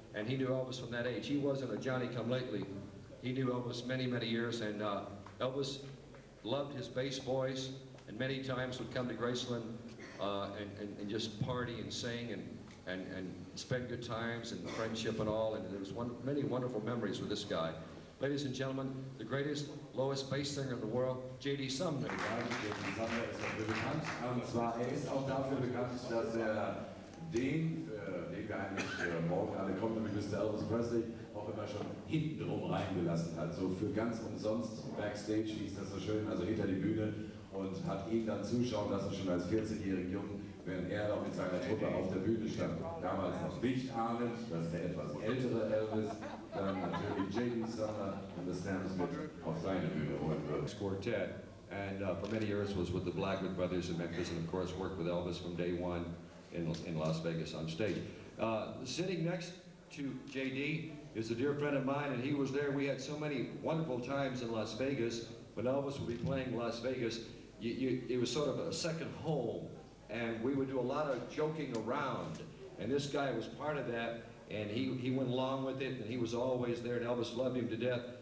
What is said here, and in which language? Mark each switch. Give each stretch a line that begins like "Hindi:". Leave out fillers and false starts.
English: And he knew Elvis from that age. He wasn't a Johnny come lately. He knew Elvis many, many years, and Elvis loved his bass voice. And many times would come to Graceland and just party and sing and spend good times and friendship and all. And there was many wonderful memories with this guy. Ladies and gentlemen, the greatest lowest bass singer in the world, J.D. Summner. J.D.
German: Summner ist dafür bekannt. Und zwar, er ist auch dafür bekannt, dass er den wir eigentlich morgen alle kommen, nämlich Mr. Elvis Presley, auch immer schon hintenrum reingelassen hat, so für ganz umsonst, Backstage hieß das so schön, also hinter die Bühne, und hat ihn dann zuschauen lassen, schon als 40-jähriger Junge, während er noch mit seiner Truppe auf der Bühne stand. Damals noch nicht ahnend, dass der etwas ältere Elvis dann natürlich J.D. Summner und The Stamps mit auf seine Bühne holen wird. Quartett.
English: And for many years was with the Blackwood Brothers in Memphis, and of course worked with Elvis from day one in Las Vegas on stage. Sitting next to JD is a dear friend of mine, and he was there. We had so many wonderful times in Las Vegas. When Elvis would be playing Las Vegas, it was sort of a second home, and we would do a lot of joking around, and this guy was part of that, and he went along with it, and he was always there, and Elvis loved him to death.